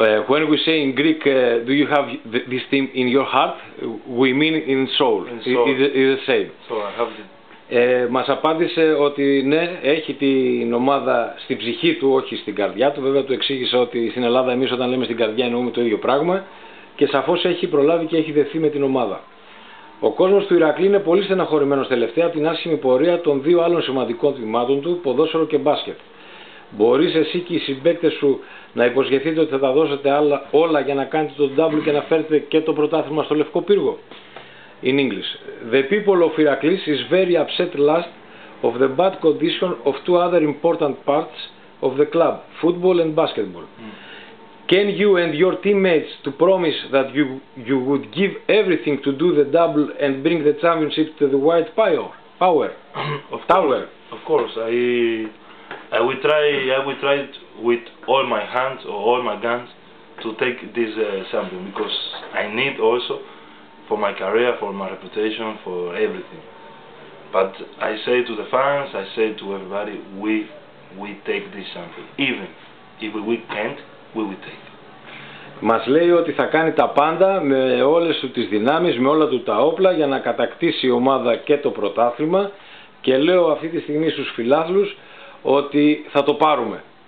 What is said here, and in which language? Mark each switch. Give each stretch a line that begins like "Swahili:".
English: When we say in Greek, do you have this team in your heart? We mean in soul. In soul. It is the same. So I have
Greek: Μας απάντησε ότι ναι, έχει την ομάδα στην ψυχή του, όχι στην καρδιά του. Βέβαια του εξήγησε ότι στην Ελλάδα εμείς όταν λέμε στην καρδιά εννοούμε το ίδιο πράγμα. Και σαφώς έχει προλάβει και έχει δεθεί με την ομάδα. Ο κόσμος του Ηρακλή είναι πολύ στεναχωρημένος τελευταία από την άσχημη πορεία των δύο άλλων σημαντικών τμήματων του, ποδόσφαιρο και μπάσκετ. Μπορείς εσύ και οι συμπαίκτες σου να υποσχεθείτε ότι θα τα δώσετε όλα για να κάνετε τον double και να φέρετε και το πρωτάθλημα στο Λευκό Πύργο?
English: In English. The people of Heracles is very upset last of the bad condition of two other important parts of the club, football and basketball. Can you and your teammates to promise that you would give everything to do the double and bring the championship to the White Power? Of Tower. Of course, I will try it with all my hands or all my guns to take this champion, because I need also for my career, for my reputation, for everything. But I say to the fans, I say to everybody, we take this champion. Even if we can't, we will take.
Greek: Μας λέει ότι θα κάνει τα πάντα με όλες του τις δυνάμεις, με όλα του τα όπλα για να κατακτήσει η ομάδα και το πρωτάθλημα, και λέω αυτή τη στιγμή στους φιλάθλους ότι θα το πάρουμε.